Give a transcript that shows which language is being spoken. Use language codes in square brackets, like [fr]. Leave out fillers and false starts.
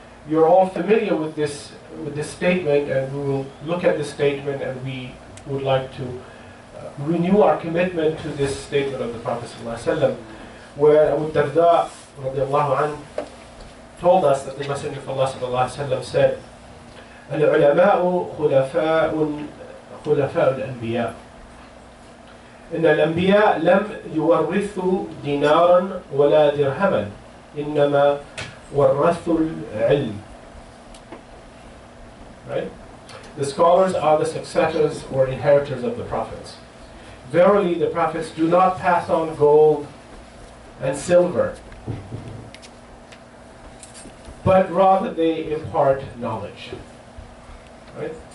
[en] You're all familiar with this statement, and we will look at this statement, and we would like to renew our commitment to this statement of the Prophet ﷺ, where Abu Darda radiallahu anhu told us that the Messenger of Allah ﷺ said, [ar] "Al-ulama'u khulafa'un." خلفاء الأنبياء إن الأنبياء لم يورثوا دينارا ولا درهما إنما ورثوا العلم [en] Right? The scholars are the successors or inheritors of the prophets. Verily, the prophets do not pass on gold and silver, but rather they impart knowledge. Right?